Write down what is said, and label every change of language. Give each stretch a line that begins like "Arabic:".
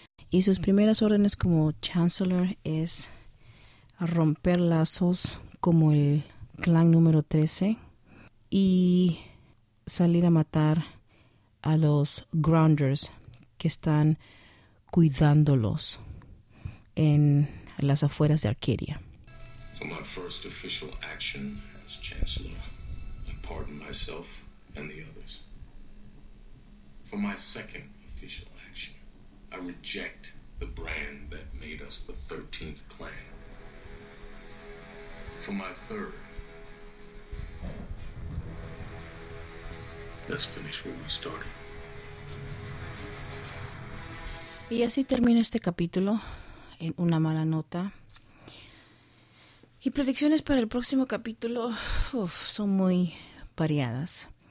Spanish: Y sus primeras órdenes como Chancellor es romper lazos como el clan número 13 y salir a matar a los Grounders que están cuidándolos en las afueras de Arcadia.
English: So my first official action as Chancellor, I pardon myself and the others. For my second official action, I reject the brand that made us the 13th Clan. For my third, let's finish what we started.
Spanish: Y así termina este capítulo en una mala nota. Y predicciones para el próximo capítulo son muy variadas.